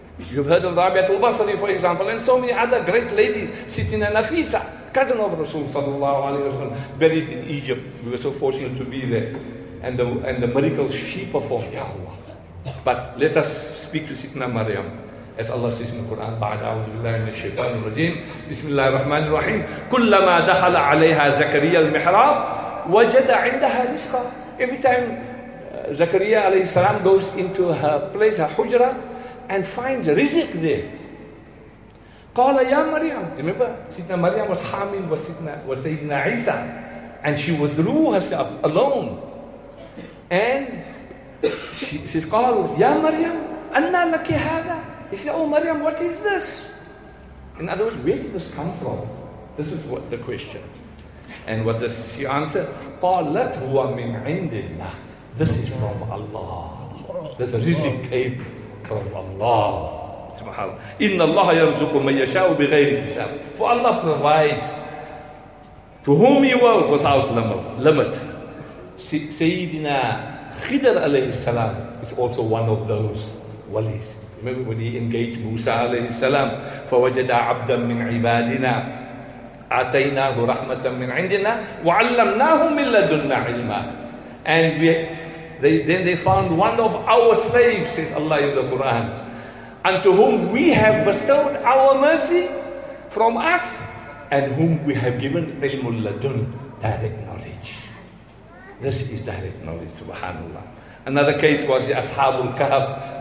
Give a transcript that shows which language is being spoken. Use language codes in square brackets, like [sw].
[en] You've heard of Rabi'at al-Basri, for example, and so many other great ladies. Sayyidina Nafisa, cousin of Rasul sallallahu alayhi wa sallam, buried in Egypt. We were so fortunate to be there. And the miracles she performed, ya Allah. But let us speak to Sayyidina Maryam. As Allah says in the Quran, [ar] بَعْدَ عَوْدُ بِاللَّهِ مِنَ الشَّيْطَانِ الرَّجِيمِ بِسْمِ اللَّهِ الرَّحْمَنِ الرَّحِيمِ كُلَّمَا دَخَلَ عَلَيْهَا زَكَرِيَا الْمِحْرَابِ وَجَدَ عِنْدَهَا رِزْقًا. [en] Every time Zakaria alayhi salam goes into her place, her hujra, and finds rizq there. [ar] قَالَ يَا مَرْيَمُ. [en] Remember, Sayyidina Maryam was Hamil was Sayyidina Isa. And she withdrew herself alone. And she says, [ar] قَالَ يَا مَرْيَمُ أَنَّا لَكِ هَذَا. [en] He said, oh Maryam, what is this? In other words, where did this come from? This is what the question. And what does she answer? [ar] قَالَتْ هُوَ مِنْ عِنْدِ اللَّهِ. [en] This is from Allah. This rizq came from Allah. [ar] SubhanAllah. إِنَّ اللَّهَ يَرْزُقُ مَنْ يَشَاءُ بِغَيْرِ حِسَابٍ. [en] For Allah provides to whom He wills without limit. Sayyidina Khidr alayhi salam is also one of those walis. Remember when he engaged Musa alayhi salam, [ar] فَوَجَدَ عَبْدًا مِنْ عِبَادِنَا أَتَيْنَاهُ رَحْمَةً مِنْ عِنْدِنَا وَعَلَّمْنَاهُ مِنْ لَدُنَّا عِلْمًا. [en] And they found one of our slaves, says Allah in the Quran, unto whom we have bestowed our mercy from us, and whom we have given [ar] عِلْمُ الْلَدُنْ, [en] direct knowledge. This is direct knowledge, subhanAllah. Another case was the Ashabul Kahf.